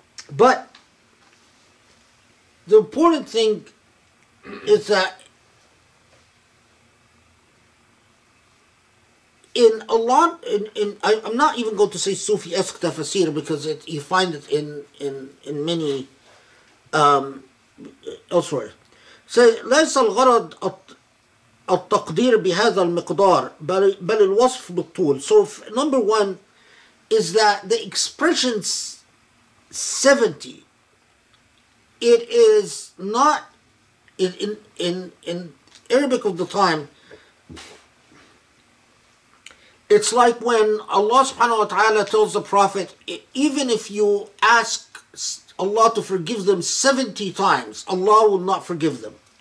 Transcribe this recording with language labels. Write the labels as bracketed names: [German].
[English] But the important thing is that I'm not even going to say Sufi-esque tafsir, because you find it in many elsewhere. [Arabic] Say, ليس الغرض التقدير بهذا المقدار بل الوصف بالطول. [English] So number one is that the expression 70, it is not in Arabic of the time. It's like when Allah subhanahu wa ta'ala tells the Prophet, even if you ask Allah to forgive them 70 times, Allah will not forgive them.